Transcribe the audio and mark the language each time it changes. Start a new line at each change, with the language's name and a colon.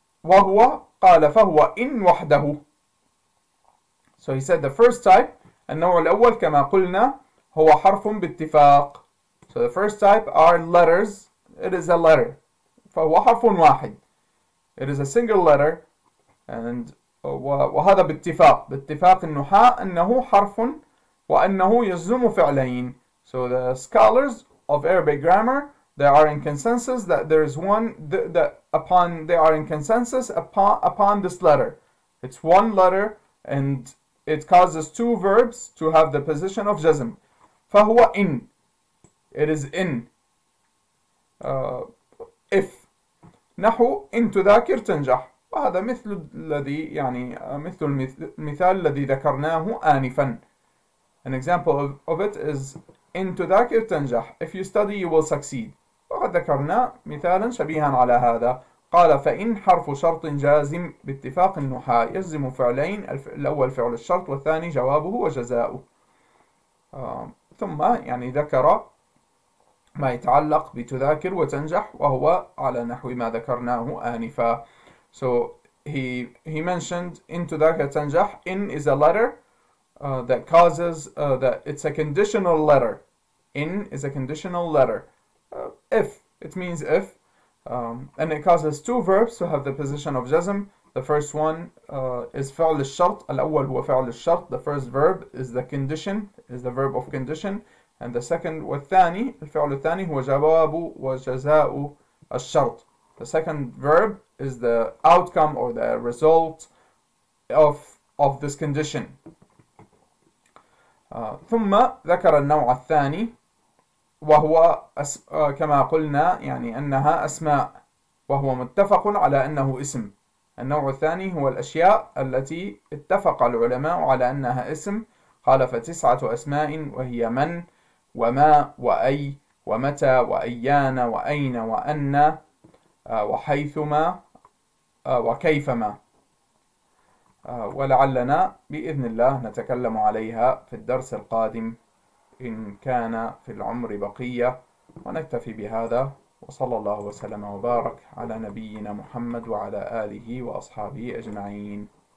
Arabic: وهو قال فهو إن وحده.
English: So he said the first type,
Arabic: النوع الأول كما قلنا هو حرف باتفاق.
English: So the first type are letters, it is a letter.
Arabic: فهو حرف واحد.
English: It is a single letter.
Arabic: And وهذا باتفاق النحاة أنه حرف وأنه يلزم فعلين.
English: So the scholars of Arabic grammar they are in consensus that there is one that upon they are in consensus upon this letter. It's one letter and it causes two verbs to have the position of jazm.
Arabic: فهو إن.
English: It is in.
Arabic: If نحو إن تذاكر تنجح. وهذا مثل الذي يعني مثل المثال الذي ذكرناه آنفا.
English: An example of it is
Arabic: إن تذاكر تنجح.
English: If you study you will succeed.
Arabic: وقد ذكرنا مثالا شبيها على هذا. قال فإن حرف شرط جازم باتفاق النحاة يلزم فعلين الأول فعل الشرط والثاني جوابه وجزاؤه. ثم يعني ذكر ما يتعلق بتذاكر وتنجح وهو على نحو ما ذكرناه آنفا.
English: So he mentioned
Arabic: in tudaka tanjah,
English: in is a letter that causes that it's a conditional letter. In is a conditional letter. If it means if, and it causes two verbs to have the position of jazm. The first one is fa'l al-shart.
Arabic: Al-awwal huwa fa'l al-shart.
English: The first verb is the condition, is the verb of condition, and the second
Arabic: wa-thani, al-fa'l al-thani huwa jawabu wa jaza'u al-shart.
English: The second verb is the outcome or the result of this condition.
Arabic: ثم ذكر النوع الثاني وهو كما قلنا يعني أنها أسماء وهو متفق على أنه اسم. النوع الثاني هو الأشياء التي اتفق العلماء على أنها اسم. قال فتسعة أسماء وهي من وما وأي ومتى وأيان وأين وأن وحيثما وكيفما ولعلنا بإذن الله نتكلم عليها في الدرس القادم إن كان في العمر بقية ونكتفي بهذا وصلى الله وسلم وبارك على نبينا محمد وعلى آله وأصحابه أجمعين.